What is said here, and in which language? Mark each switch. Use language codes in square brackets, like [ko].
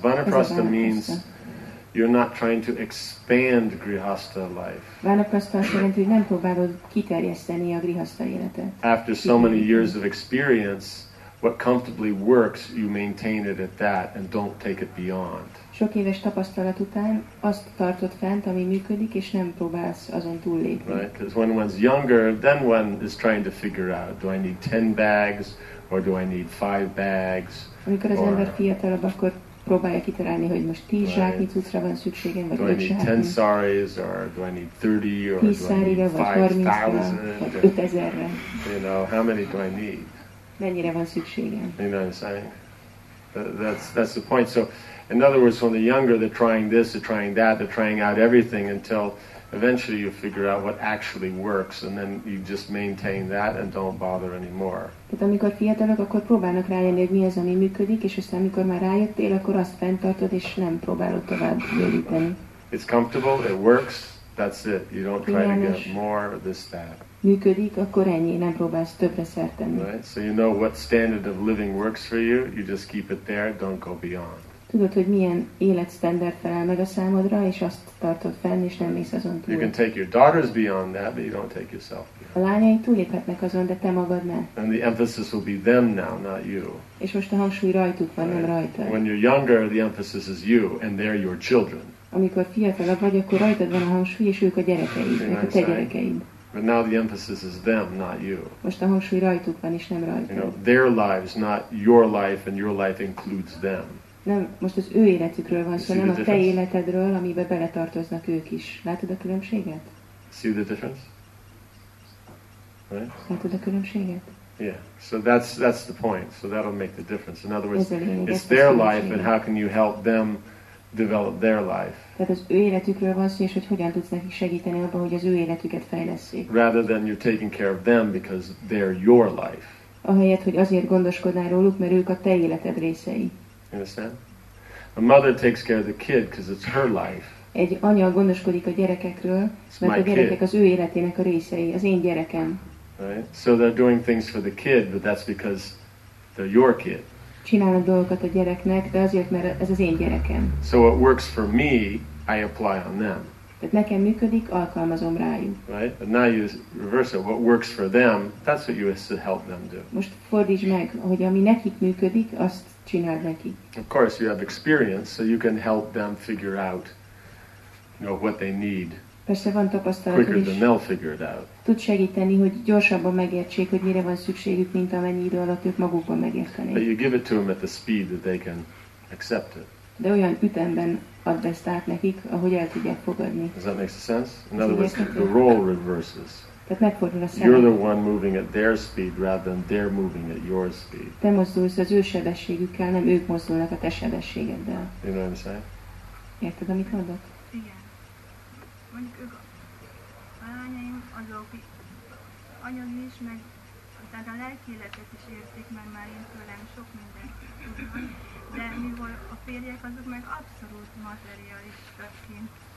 [en] Vanaprasztha means you're not trying to expand grihastha life. [hu] Vanaprasztha azt jelenti, hogy nem próbálod kiterjeszteni a grihastha életet. [en] After so many years of experience, what comfortably works, you maintain it at that and don't take it beyond. [hu] Sok éves tapasztalat után azt tartod fent, ami működik, és nem próbálsz azon túllépni. [en] Right, because when one's younger, then one is trying to figure out, do I need 10 bags, or do I need 5 bags? [hu] Amikor az ember fiatalabb, akkor próbálja kitalálni, hogy most 10 zsáknyi cuccra van szükségem, vagy 5 zsáknyi. [en] Do I need 10 saris, or do I need 30, or do I need 5,000? [hu] 5,000-re. [en] You know, how many do I need? [hu] Mennyire van szükségem? [en] You know what I'm saying? That's the point. So, in other words, when the younger, they're trying this, they're trying that, they're trying out everything until eventually you figure out what actually works, and then you just maintain that and don't bother anymore. [hu] Tehát amikor fiatalok, akkor próbálnak rájönni, hogy mi az, ami működik, és aztán amikor már rájöttél, akkor azt fenntartod, és nem próbálod tovább bővíteni. [en] It's comfortable, it works, that's it. You don't try to get more of this, that. [hu] Működik, akkor ennyi, nem próbálsz többre szertenni. [en] Right? So you know what standard of living works for you, you just keep it there, don't go beyond. [hu] Tudod, hogy milyen életsztenderd felel meg a számodra, és azt tartod fenn, és nem mész azon túl. [en] You can take your daughters beyond that, but you don't take yourself beyond. [hu] A lányai túléphetnek azon, de te magad ne. [en] And the emphasis will be them now, not you. [hu] És most a hangsúly rajtuk van, right? Nem rajta. [en] When you're younger, the emphasis is you, and they're your children. [hu] Amikor fiatalabb vagy, akkor rajtad van a hangsúly, és ők a gyerekeid, ők a te gyerekeid. [en] But now the emphasis is them, not you. [hu] Most a hangsúly rajtuk van, és nem rajtad. [en] You know, their lives, not your life, and your life includes them. [hu] Nem, most az ő életükről van szó, nem a te életedről, amibe beletartoznak ők is. Látod a különbséget? [en] See the difference? Right? [hu] Látod a különbséget? [en] Yeah, so that's the point. So that'll make the difference. In other words, it's their life, and how can you help them develop their life? [hu] Tehát az ő életükről van szó, és hogy hogyan tudsz nekik segíteni abban, hogy az ő életüket fejlesszék. [en] Rather than you're taking care of them because they're your life. [hu] ahelyett, hogy azért gondoskodnál róluk, mert ők a te életed részei. [en] Understand? A mother takes care of the kid because it's her life. [hu] Egy anya gondoskodik a gyerekekről, mert a gyerekek az ő életének a részei, az én gyerekem. [en] Right? So they're doing things for the kid, but that's because they're your kid. [hu] Csinálnak dolgokat a gyereknek, de azért, mert ez az én gyerekem. [en] So what works for me, I apply on them. [hu] Tehát nekem működik, alkalmazom rájuk. [en] Right? But now you reverse it. What works for them, that's what you have to help them do. [hu] Most fordítsd meg, hogy ami nekik működik, azt csináld neki. [en] Of course, you have experience, so you can help them figure out, you know, what they need. [hu] Persze van tapasztalatod, [en] quicker than they'll figure it out. [hu] Tud segíteni, hogy gyorsabban megértsék, hogy mire van szükségük, mint amennyi idő alatt ők magukban megértenék. [en] But you give it to them at the speed that they can accept it. [hu] De olyan ütemben add ezt át nekik, ahogy el tudják fogadni. [en] Does that make sense? In other words, the role reverses. [hu] Tehát megfordul a szerep. [en] You're the one moving at their speed rather than they're moving at your speed. [hu] Te mozdulsz az ő sebességükkel, nem ők mozdulnak a te sebességeddel. [en] You know what I'm saying? [hu] Érted, amit mondok? Mondjuk ők a lányaim azok anyagi is, meg tehát a lelki életet is értik, mert már én tőlem sok mindent tudnak, de mivel a férjek azok meg abszolút materialistaként